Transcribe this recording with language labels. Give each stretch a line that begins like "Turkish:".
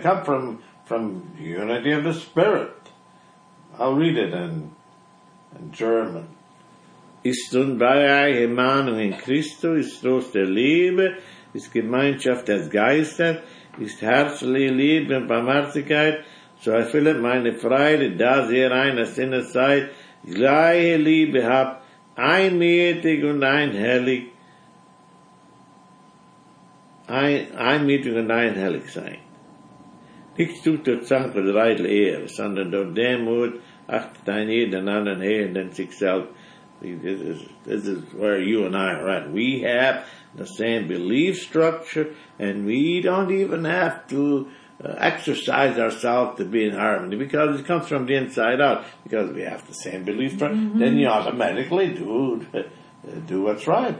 English: Come from unity of the Spirit. I'll read it in German.
German: Ist nun bei euch die Mahnung in Christo, ist Trost der Liebe, ist Gemeinschaft des Geistes, ist herzliche Liebe und Barmherzigkeit, so erfülle meine Freude, dass ihr einer Sinne seid, gleiche Liebe habt, einmütig und einhellig. Einmütig und einhellig sein. Nichts tut durch Zank oder Eitel eher, sondern durch Demut achtet ein jeden anderen eher denn sich selbst.
English: This is where you and I are at. We have the same belief structure, and we don't even have to exercise ourselves to be in harmony, because it comes from the inside out, because we have the same belief structure. Mm-hmm. Then you automatically do what's right.